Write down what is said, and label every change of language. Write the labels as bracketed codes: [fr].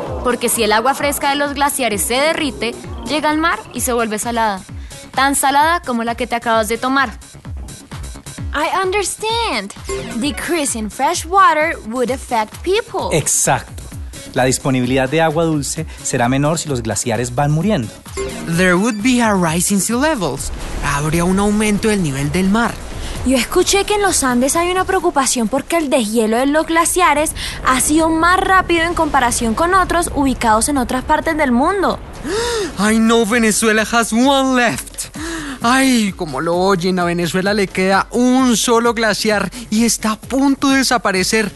[es] Porque si el agua fresca de los glaciares se derrite, llega al mar y se vuelve salada. Tan salada como la que te acabas de tomar. [en] I understand. Decrease in fresh water would affect people. [es] Exacto. La disponibilidad de agua dulce será menor si los glaciares van muriendo. [en] There would be a rise in sea levels. [es] Habría un aumento del nivel del mar. Yo escuché que en los Andes hay una preocupación porque el deshielo de los glaciares ha sido más rápido en comparación con otros ubicados en otras partes del mundo. [en] I know Venezuela has one left. [es] Ay, como lo oyen, a Venezuela le queda un solo glaciar y está a punto de desaparecer.